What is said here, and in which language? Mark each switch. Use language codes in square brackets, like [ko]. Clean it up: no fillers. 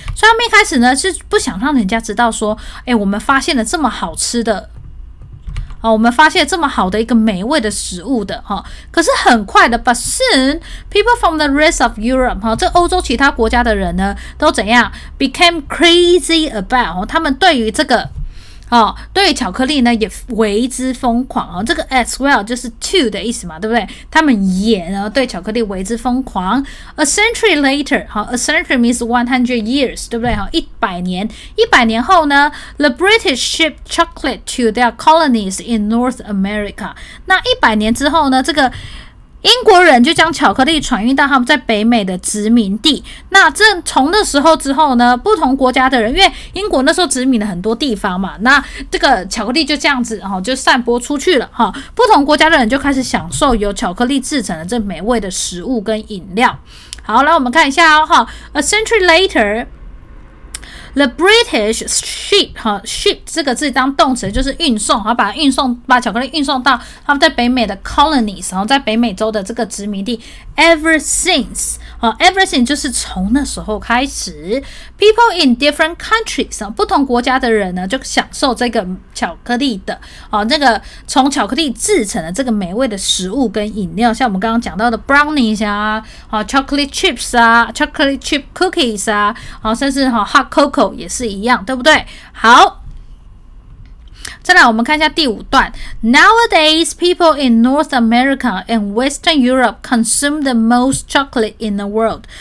[zh] 所以他们一开始呢是不想让人家知道说，哎，我们发现了这么好吃的，我们发现了这么好的一个美味的食物的，可是很快的 ， [en] but soon people from the rest of Europe, [zh] 这欧洲其他国家的人呢都怎样 ， [en] became crazy about, [zh] 他们对于这个对于巧克力呢也为之疯狂，这个 [en] as well [zh] 就是 to 的意思嘛，对不对？他们也呢对巧克力为之疯狂。 [en] A century later, a century means 100 years, [zh] 对不对？ 100年后呢， [en] The British shipped chocolate to their colonies in North America. [zh] 那100年之后呢，这个英国人就将巧克力传运到他们在北美的殖民地。那这从那时候之后呢，不同国家的人，因为英国那时候殖民了很多地方嘛，那这个巧克力就这样子就散播出去了，不同国家的人就开始享受由巧克力制成的这美味的食物跟饮料。好，来我们看一下 [en] A century laterThe British ship, ship [zh] 这个字当动词就是运送，把它运送，把巧克力运送到他们在北美的 colonies, 在北美洲的这个殖民地。 [en] Ever since, ever since [zh] 就是从那时候开始， [en] people in different countries, [zh] 不同国家的人呢就享受这个巧克力的，那个从巧克力制成的这个美味的食物跟饮料，像我们刚刚讲到的 brownies 啊， chocolate chips 啊， [en] chocolate chip cookies [zh] 啊， 甚至 [en] hot cocoa [zh] 也是一样，对不对？好，再来我们看一下第五段。 [en] Nowadays, people in North America and Western Europe consume the most chocolate in the world.